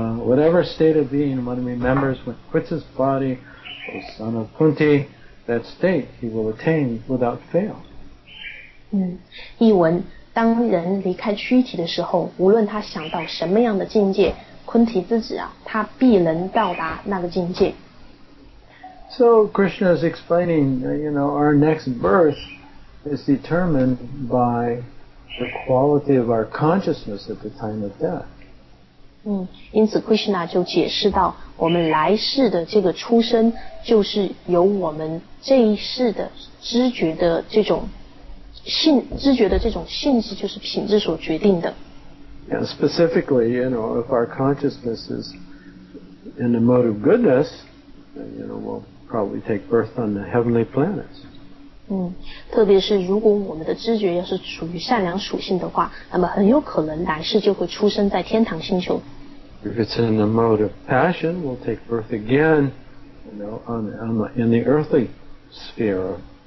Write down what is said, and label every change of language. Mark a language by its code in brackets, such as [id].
[en] Whatever state of being one remembers when quits his body, O son of Kunti, that state he will attain without fail. [zh] 译文，当人离开躯体的时候，无论他想到什么样的境界，昆提自己啊，他必能到达那个境界。 [en] So Krishna is explaining, you know, our next birth is determined by the quality of our consciousness at the time of death. [zh] 因此 Krishna 就解释到，我们来世的这个出生，就是由我们这一世的知觉的这种性，知觉的这种性质，就是品质所决定的。 [en] And specifically, you know, if our consciousness is in the mode of goodness, then, you know, we'll probably take birth on the heavenly planets. [zh] 特别是如果我们的知觉要是属于善良属性的话，那么很有可能来世就会出生在天堂星球。 [en] If it's in the mode of passion, we'll take birth again, you know, in the earthly sphere.